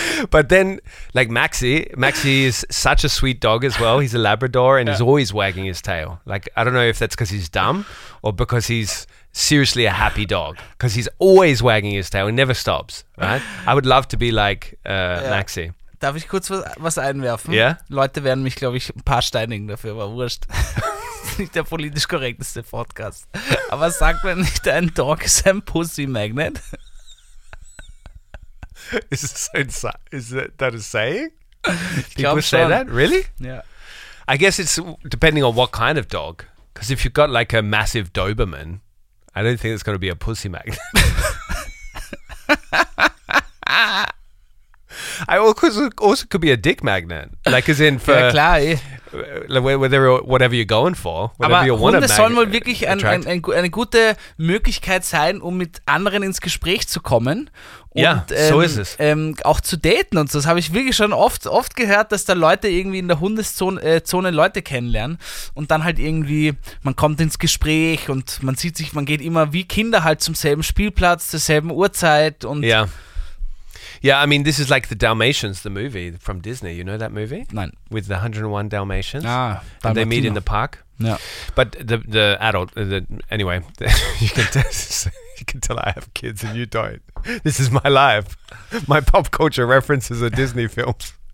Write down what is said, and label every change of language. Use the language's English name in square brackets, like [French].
[English] But then, like, Maxi is such a sweet dog as well. He's a Labrador and he's always wagging his tail. Like, I don't know if that's because he's dumb or because he's seriously a happy dog, because he's always wagging his tail and never stops, right? I would love to be like Maxi. [German] Darf ich kurz was einwerfen? [English] Yeah? [German] Leute werden mich, glaube ich, ein paar steinigen dafür, aber wurscht. Nicht der politisch korrekteste Podcast. Aber sagt man nicht, ein Dog ist ein Pussy-Magnet? [English] Is it so is that a saying? People say that? Really? Yeah. I guess it's depending on what kind of dog. Because if you've got like a massive Doberman, I don't think it's going to be a pussy magnet. I also could be a dick magnet. Like, as in for... [German] Ja, klar, eh. [English] Whatever you're going for. Whatever [German] aber [English] you want to magnet. [German] Aber sollen wohl wirklich eine gute Möglichkeit sein, um mit anderen ins Gespräch zu kommen. Und, ja, so ist es. Auch zu daten und so. Das habe ich wirklich schon oft gehört, dass da Leute irgendwie in der Hundeszone Leute kennenlernen und dann halt irgendwie, man kommt ins Gespräch und man sieht sich, man geht immer wie Kinder halt zum selben Spielplatz, zur selben Uhrzeit und... Ja. [English] Yeah, I mean, this is like the Dalmatians, the movie from Disney. You know that movie? [German] Nein. [English] With the 101 Dalmatians. [German] Ah, Dalmatino. [English] And they meet in the park. Yeah. But the adult, anyway, you can tell I have kids and you don't. This is my life. My pop culture references are Disney films.